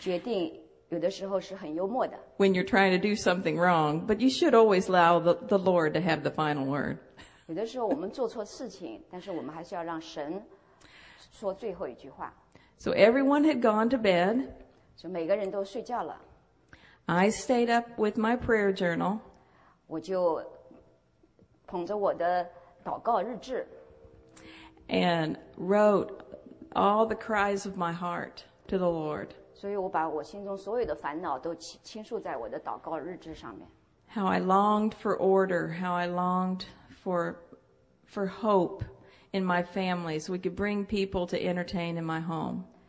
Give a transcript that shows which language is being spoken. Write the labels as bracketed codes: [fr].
[zh] 这个神的决定有的时候是很幽默的。 [en] When you're trying to do something wrong, but you should always allow the Lord to have the final word. [zh] 有的时候我们做错事情，但是我们还是要让神说最后一句话。 [en] So everyone had gone to bed. [zh] 就每个人都睡觉了。 [en] I stayed up with my prayer journal. [zh] 我就捧着我的祷告日志。 [en] And wrote all the cries of my heart to the Lord. [zh] 所以我把我心中所有的烦恼都倾诉在我的祷告日志上面。 [en] How I longed for order, how I longed for hope in my family so we could bring people to entertain in my home.